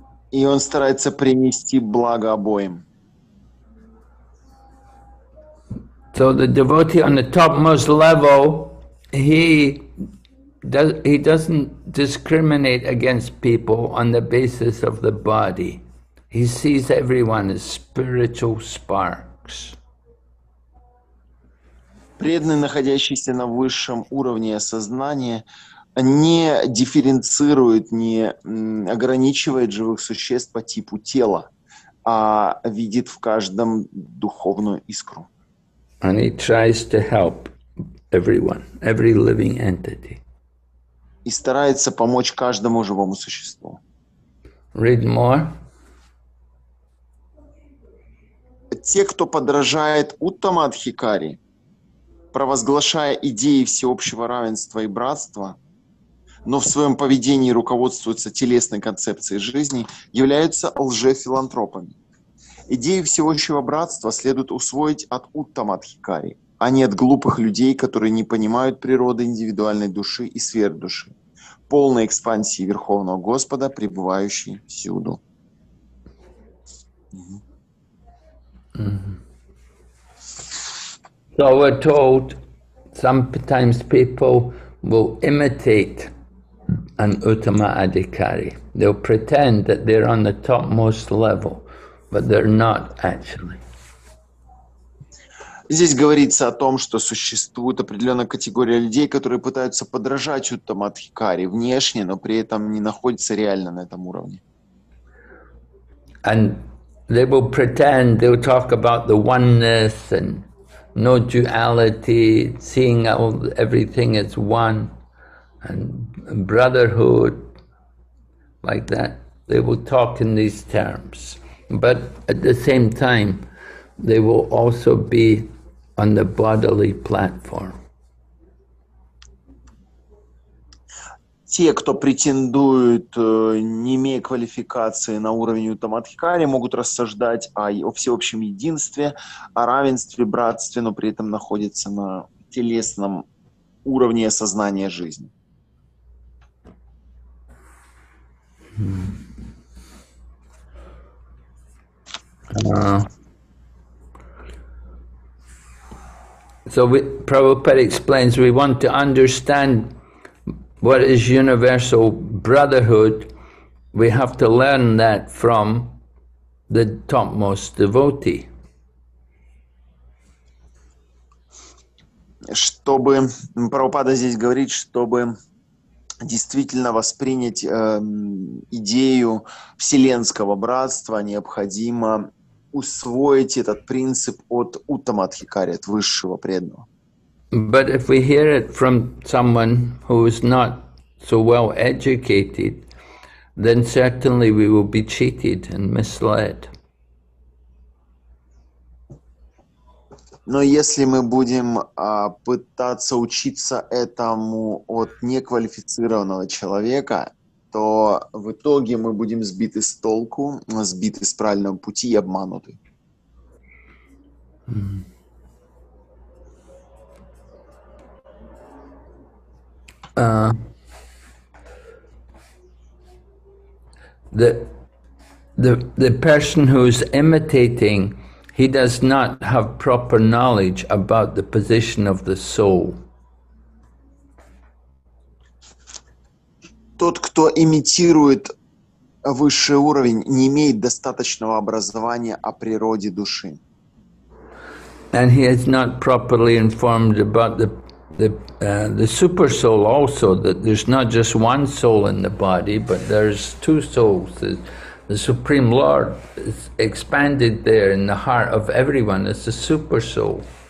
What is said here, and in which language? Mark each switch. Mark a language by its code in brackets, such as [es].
[ru] И он старается принести благо обоим. [en] So the devotee on the topmost level, he doesn't discriminate against people on the basis of the body. He sees everyone as spiritual sparks. [ru] Преданный, находящийся на высшем уровне сознания, не дифференцирует, не ограничивает живых существ по типу тела, а видит в каждом духовную искру. [en] And he tries to help everyone, every living entity. [ru] И старается помочь каждому живому существу. [en] Read more. [ru] Те, кто подражает Уттама Адхикари, провозглашая идеи всеобщего равенства и братства, но в своем поведении руководствуются телесной концепцией жизни, являются лжефилантропами. Идеи всеобщего братства следует усвоить от Уттама Адхикари, а не от глупых людей, которые не понимают природы индивидуальной души и сверхдуши, полной экспансии Верховного Господа, пребывающей всюду. [en] So we're told sometimes people will imitate an Uttama Adhikari. They'll pretend that they're on the topmost level, but they're not actually. [ru] Здесь говорится о том, что существует определенная категория людей, которые пытаются подражать Уттама Адхикари внешне, но при этом не находятся реально на этом уровне. [en] And they will pretend, they will talk about the oneness and no duality, seeing everything as one and brotherhood, like that. They will talk in these terms. But at the same time, they will also be on the bodily platform. [ru] Те, кто претендует, не имея квалификации на уровень Уттама Адхикари, могут рассуждать о всеобщем единстве, о равенстве, братстве, но при этом находятся на телесном уровне сознания жизни. [en] So Prabhupada explains, we want to understand what is universal brotherhood. We have to learn that from the topmost devotee. [ru] Чтобы, Прабхупада здесь говорит, чтобы действительно воспринять идею вселенского братства, необходимо усвоить этот принцип от Уттама Адхикари, от высшего преданного. [en] But if we hear it from someone who is not so well educated, then certainly we will be cheated and misled. [ru] Но если мы будем пытаться учиться этому от неквалифицированного человека, то в итоге мы будем сбиты с толку, сбиты с правильного пути и обмануты. [en] The person who is imitating, he does not have proper knowledge about the position of the soul. [ru] тот, кто имитирует высший уровень, не имеет достаточного образования о природе души. [en] And he is not properly informed about the super soul also, that there's not just one soul in the body, but there's two souls. The Supreme Lord is expanded there in the heart of everyone as the super soul.